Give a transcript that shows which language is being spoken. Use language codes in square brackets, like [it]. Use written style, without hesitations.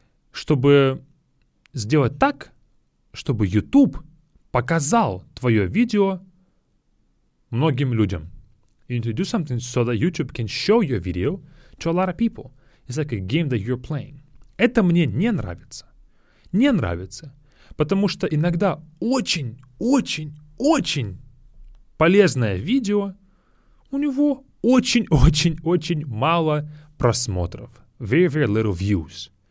[ru] Чтобы сделать так, чтобы YouTube показал твое видео многим людям. [en] You need to do something so that YouTube can show your video to a lot of people. It's like a game that you're playing. [ru] Это мне не нравится. Не нравится. Потому что иногда очень-очень-очень полезное видео, у него очень-очень-очень мало просмотров. [en] Very-very little views.